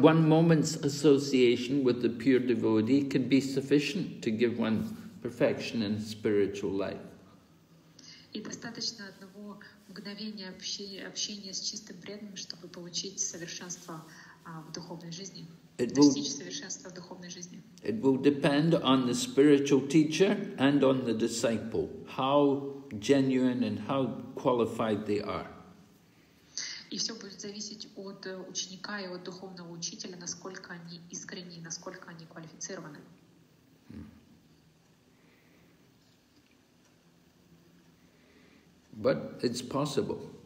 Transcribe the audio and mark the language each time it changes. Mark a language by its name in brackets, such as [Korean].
[English] One moment's association with the pure devotee can be sufficient to give one perfection in spiritual life. [Russian] И достаточно одного мгновения общения с чистым преданным, чтобы получить совершенство в духовной жизни. [English] It will depend on the spiritual teacher and on the disciple, how genuine and how qualified they are. [Russian] И все будет зависеть от ученика и от духовного учителя, насколько они искренни, насколько они квалифицированы. [English] But it's possible.